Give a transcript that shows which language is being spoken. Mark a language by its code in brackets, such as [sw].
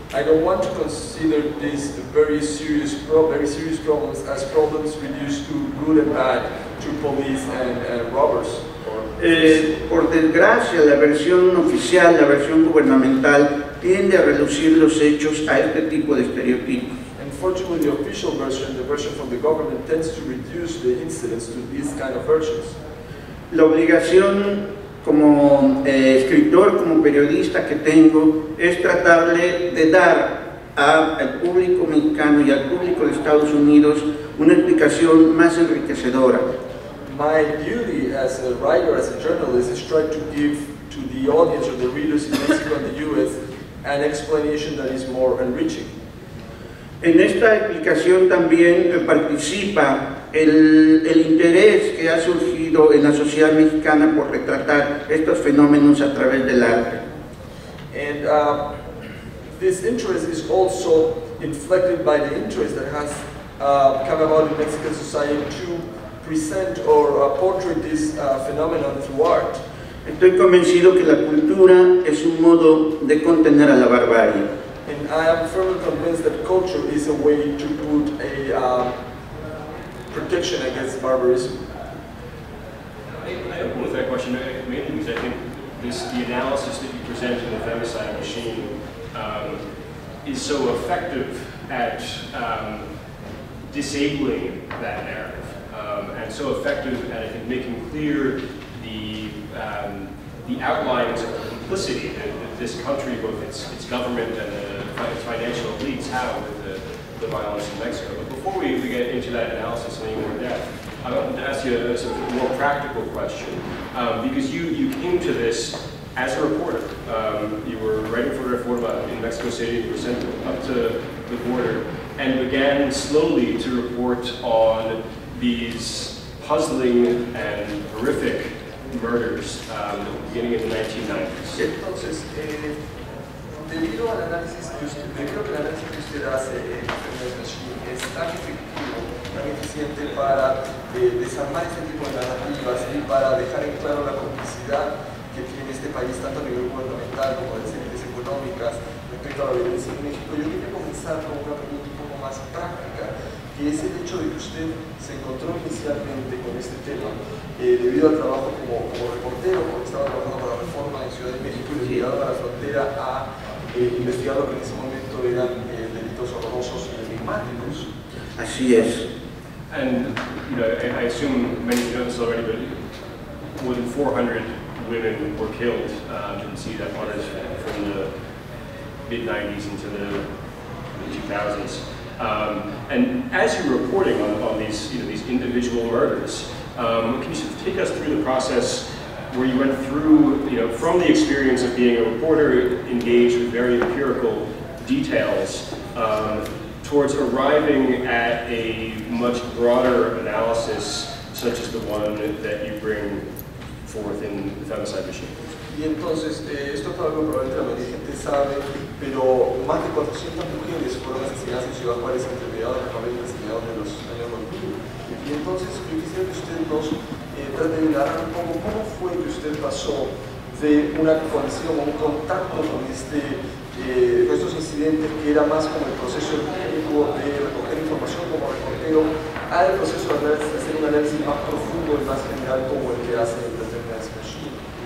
[en] I don't want to consider these very serious problems as problems reduced to good and bad, to police and robbers. [es] Por desgracia, la versión oficial, la versión gubernamental, tiende a reducir los hechos a este tipo de estereotipos. [en] Unfortunately, the official version, the version from the government, tends to reduce the incidents to these kind of versions. [es] La obligación como escritor, como periodista que tengo, es tratarle de dar al público mexicano y al público de Estados Unidos una explicación más enriquecedora. [en] My duty as a writer, as a journalist, is try to give to the audience or the readers in Mexico and the U.S. an explanation that is more enriching. [es] En esta explicación también participa el interés que ha surgido en la sociedad mexicana por retratar estos fenómenos a través del arte. [en] And this interest is also inflected by the interest that has come about in Mexican society to present or portray this phenomenon through art. [es] Estoy convencido que la cultura es un modo de contener a la barbarie. [en] And I am firmly convinced that culture is a way to put a protection against barbarism. I open with that question mainly because I think the analysis that you presented in the Femicide Machine is so effective at disabling that narrative, and so effective at, I think, making clear the outlines of complicity that this country, both its government and its financial elites, have with the violence in Mexico. But before we get into that analysis in any more depth, I want to ask you a sort of more practical question, because you came to this as a reporter. You were writing for a reporter in Mexico City, you were sent up to the border, and began slowly to report on these puzzling and horrific murders beginning in the 1990s. [es] Entonces, debido al análisis que usted, creo que el análisis que usted hace en Femicide Machine es tan efectivo, tan eficiente para desarmar este tipo de narrativas y para dejar en claro la complicidad que tiene este país, tanto a nivel gubernamental como de élites económicas, respecto a la violencia en México. Yo quería comenzar con una pregunta un poco más práctica, que es el hecho de que usted se encontró inicialmente con este tema debido al trabajo como reportero, porque estaba trabajando para Reforma en Ciudad de México y llegado a la frontera a investigar lo que en ese momento eran delitos horrorosos y enigmáticos. Así es. [en] And, you know, I assume many of you know this already, but more than 400 women were killed in Ciudad Juárez from the mid-90s into the 2000s. And as you're reporting on these, you know, these individual murders, can you sort of take us through the process where you went through, you know, from the experience of being a reporter, engaged with very empirical details, towards arriving at a much broader analysis, such as the one that you bring forth in the Femicide Machine. [es] Y entonces, esto fue algo probablemente la mayoría de gente sabe, pero más de 400 mujeres fueron asesinadas en Ciudad Juárez entre mediados de abril y mediados de los años 2000. Y entonces, yo quisiera que ustedes dos traten de dar un poco cómo fue que usted pasó de una coalición o un contacto con estos incidentes, que era más como el proceso técnico de recoger información como reportero, al proceso de hacer un análisis más profundo y más general como el que hace el presidente de Machine.